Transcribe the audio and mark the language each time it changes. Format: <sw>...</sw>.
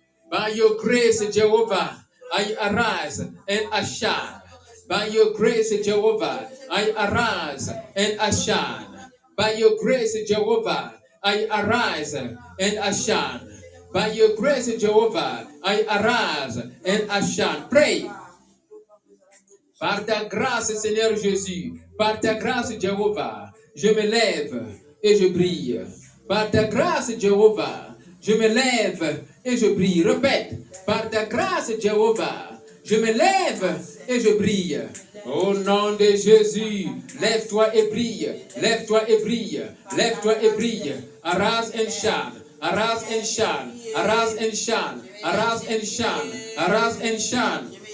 <en>By your grace, Jehovah, I arise and I shine. By your grace, Jehovah, I arise and I shine. By your grace, Jehovah, I arise and I shine. By your grace, Jehovah, I arise and I shine. Pray.</en> <fr>Par ta grâce, Seigneur Jésus, par ta grâce, Jéhovah, je me lève et je brille. Par ta grâce, Jéhovah, je me lève et je brille. Répète, par ta grâce, Jéhovah, je me lève et je brille. Au nom de Jésus, lève-toi et brille, lève-toi et brille, lève-toi et brille.</fr> <en>Arise and shine, arise and shine, arise and shine, arise and shine, arise and shine.</en>